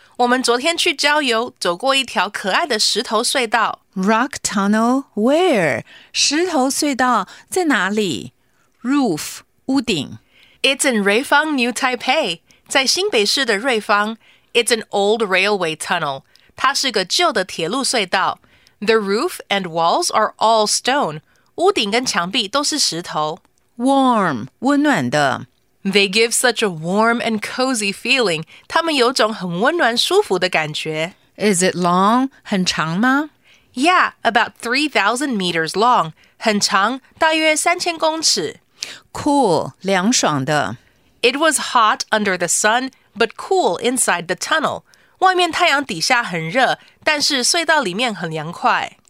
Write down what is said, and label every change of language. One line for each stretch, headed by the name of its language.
Chinese: 我们昨天去郊游，走过一条可爱的石头隧道。
English: Rock tunnel? Where?
Chinese: 石头隧道在哪里？
English: Roof, 屋顶。 It's in Rui-fang, New Taipei.
Chinese: 在新北市的瑞芳。
English: It's an old railway tunnel.
Chinese: 它是个旧的铁路隧道。
English: The roof and walls are all stone.
Chinese: 屋顶跟墙壁都是石头。
English: Warm, 温暖的。 They give such a warm and cozy feeling.
Chinese: 他们有种很温暖舒服的感觉。
English: Is it long?
Chinese: 很长吗？
English: Yeah, about 3,000 meters long.
Chinese: 很长，大约三千公尺。
English: Cool, 凉爽的。 It was hot under the sun, but cool inside the tunnel.
Chinese: 外面太阳底下很热，但是隧道里面很凉快。